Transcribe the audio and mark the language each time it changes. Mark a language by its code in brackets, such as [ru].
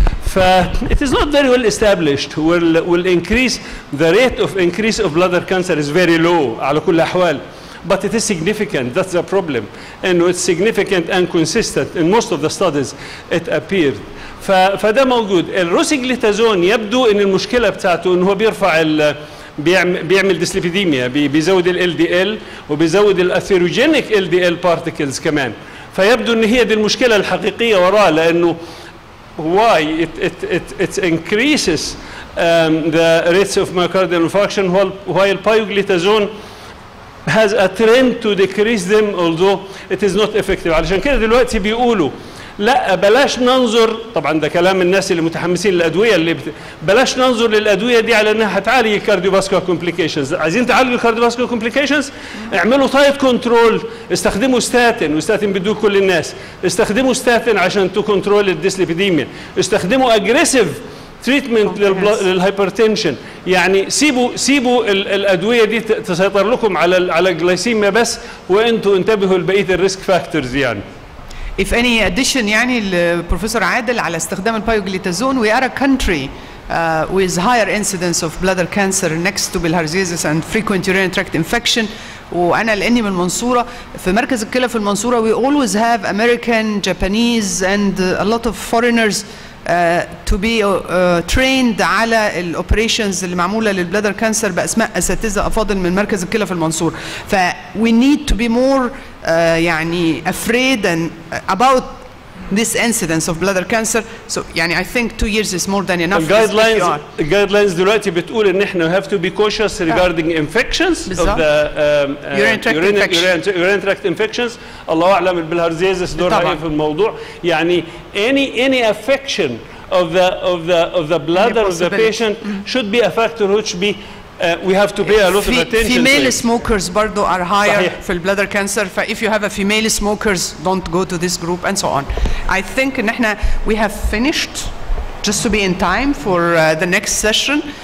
[en] ف it is not very well established. will increase the rate of increase of bladder cancer is very low [ar] على كل الاحوال, [en] but it is significant. That's the problem, and it's significant and consistent in most of the studies it appeared. [ar] فده موجود. الروسيغليتازون يبدو ان المشكله بتاعته ان هو بيرفع بيعمل ديسليبيديميا, بيزود ال LDL وبيزود الاثيروجينيك LDL بارتكلز كمان. فيبدو ان هي دي المشكله الحقيقيه وراه, لانه [en] why it increases the rates of myocardial infarction while pioglitazone has a trend to decrease them although it is not effective. [ar] علشان كده دلوقتي بيقولوا لا بلاش ننظر, طبعا ده كلام الناس اللي متحمسين للادويه, اللي بلاش ننظر للادويه دي على انها هتعالج الكارديوفاسكولار كومبليكيشنز. عايزين تعالجوا الكارديوفاسكولار كومبليكيشنز, اعملوا تايت كنترول, استخدموا ستاتين, وستاتين بيدوه كل الناس, استخدموا ستاتين عشان تو كنترول الديسليبيديميا, استخدموا اجريسيف تريتمنت للهايبرتنشن. يعني سيبوا الادويه دي تسيطر لكم على الجلايسيميا بس, وانتوا انتبهوا لبقيه الريسك فاكتورز. يعني [en] if any addition [ar] يعني البروفيسور عادل على استخدام البايوجليتازون, [en] we are a country with higher incidence of bladder cancer next to bilharziosis and frequent urinary tract infection. [ar] وانا لاني من المنصوره, في مركز الكلى في المنصوره [en] we always have American, Japanese and a lot of foreigners to be trained [ar] على الاوبريشنز اللي معموله للبلادر كانسر باسماء اساتذه افاضل من مركز الكلى في المنصوره. [en] ف we need to be more [ar] يعني [en] afraid and about this incidence of bladder cancer. So [ar] يعني [en] I think 2 years is more than enough. The guidelines [ar] دلوقتي بتقول ان احنا [en] have to be cautious regarding infections of the urinary tract infections. [ar] الله اعلم البلهرزيزس دورها ايه في الموضوع. يعني [en] any affection of the bladder of the patient should be a factor which be we have to pay a lot of attention. Female smokers [ar] برضو [en] are higher [ar] في [en] bladder cancer. ف if you have a female smokers don't go to this group and so on. I think [ar] نحنا [en] we have finished just to be in time for the next session.